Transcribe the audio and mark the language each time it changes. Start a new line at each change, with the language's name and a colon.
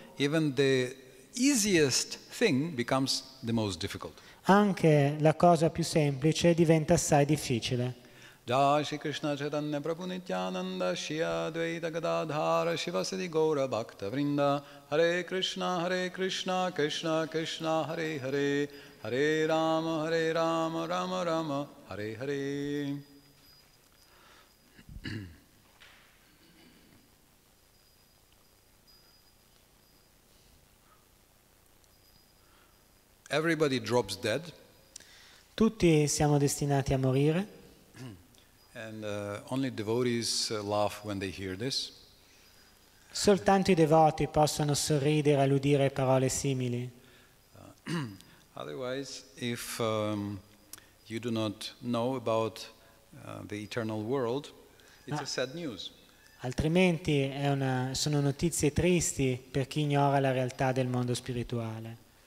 English: even the easiest thing becomes the most difficult.
Italian: Anche la cosa più semplice diventa assai difficile.
Sanskrit: Jai Shri Krishna Chaitanya Prabhu Nityananda Shri Advaita Gadadhara Shivasadi Gaura Bhakta Vrinda Hare Krishna Krishna Krishna Hare Hare Hare Rama Hare Rama Rama Rama Hare Hare.
English: Everybody drops dead.
Italian: Tutti siamo destinati a morire.
English: And only devotees laugh when they hear this.
Italian: Soltanto i devoti possono sorridere all'udire parole simili.
English: Otherwise, if you do not know about the eternal world, it's a sad news.
Italian: Altrimenti sono notizie tristi per chi ignora la realtà del mondo spirituale.